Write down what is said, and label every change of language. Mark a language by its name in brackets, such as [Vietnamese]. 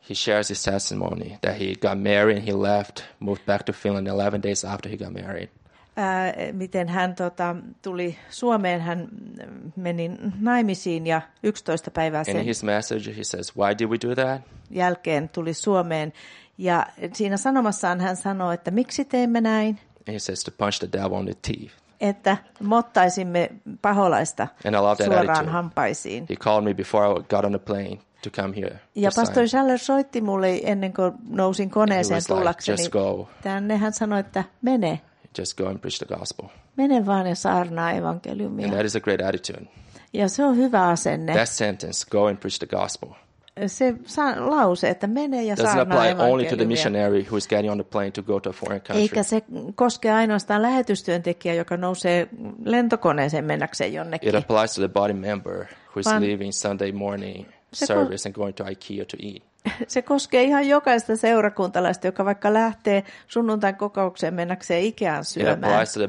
[English] He shares his testimony that he got married and he left, moved back to Finland 11 days after he got married. [Finnish] Miten hän tuli Suomeen, hän meni naimisiin ja 11 päivää sen [English] in his message, he says, why did we do that? [Finnish] Jälkeen tuli Suomeen ja siinä sanomassaan hän sanoi, että miksi teimme näin? [English] And he says to punch the devil in the teeth. [Finnish] Että mottaisimme paholaista suoraan hampaisiin. [English] He called me before I got on the plane to come here. [Finnish] Ja pastori Schaller soitti mulle ennen kuin nousin koneeseen tullakseni. [English] Just go. [Finnish] Tänne hän sanoi, että mene. [English] Just go and preach the gospel. [Finnish] Mene vaan ja saarnaa evankeliumia. [English] And that is a great attitude. [Finnish] Ja se on hyvä asenne. [English] That sentence, go and preach the gospel. [Finnish] Se lause, että mene ja saarnaa evankeliumia. [English] Doesn't apply only to the missionary who is getting on the plane to go to a foreign country. [Finnish] Eikä se koske ainoastaan lähetystyöntekijä, joka nousee lentokoneeseen mennäkseen jonnekin. [English] It applies to the body member who is leaving Sunday morning service and going to IKEA to eat. [Finnish] Se koskee ihan jokaista seurakuntalaista, joka vaikka lähtee sunnuntain kokoukseen mennäkseen Ikeaan syömään.